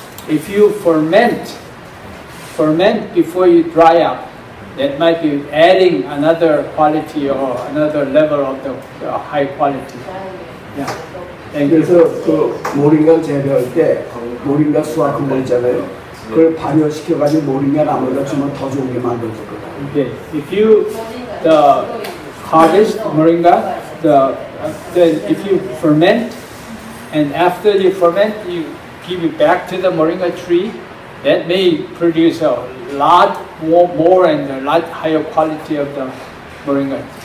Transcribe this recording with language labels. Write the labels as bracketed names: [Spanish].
[English] If you ferment before you dry up, that might be adding another quality or another level of the high quality. Yeah. Thank you. [Korean] 그래서 그 모링가 재배할 때 모링가 수확한 거 있잖아요. 그걸 발효시켜 가지고 모링가 나물로 주면 더 좋은 게 만들어질 거다. [English] Okay. If you the harvest moringa, the if you ferment, and after you ferment, you give it back to the moringa tree, that may produce a lot more and a lot higher quality of the moringa.